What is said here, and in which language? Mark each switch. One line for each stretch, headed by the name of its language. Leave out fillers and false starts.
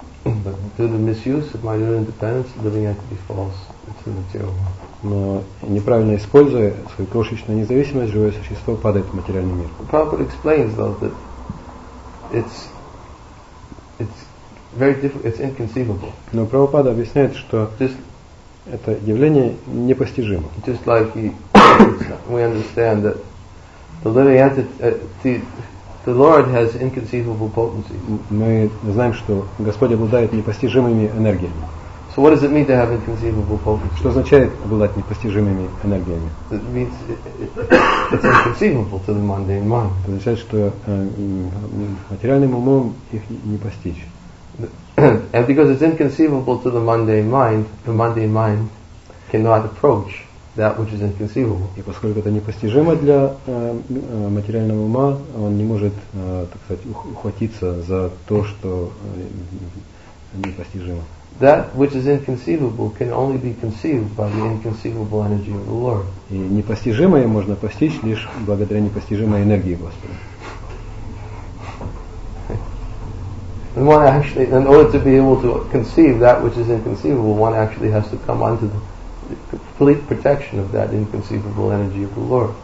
English: But through the misuse of my own independence, living entity falls into material world.
Russian: Но неправильно используя свою крошечную независимость, живое существо падает в материальный мир.
English: Prabhupada explains though that it's inconceivable.
Russian: Но Прабхупада объясняет, что это явление непостижимо.
English: Just like we understand that the living entity, the Lord has inconceivable potencies.
Russian: Мы знаем, что Господь обладает непостижимыми энергиями.
English: So what does it mean to have inconceivable potencies?
Russian: Что означает обладать непостижимыми энергиями?
English: It means it's inconceivable to the mundane mind.
Russian: Это означает, что материальным умом их не постичь.
English: And because it's inconceivable to the mundane mind cannot approach that which is inconceivable.
Russian: И поскольку это непостижимо для материального ума, он не может, так сказать, ухватиться за то, что непостижимо.
English: That which is inconceivable can only be conceived by the inconceivable energy of the Lord.
Russian: И непостижимое можно постичь лишь благодаря непостижимой энергии Господа.
English: And one actually, in order to be able to conceive that which is inconceivable, one actually has to come under the complete protection of that inconceivable energy of the Lord.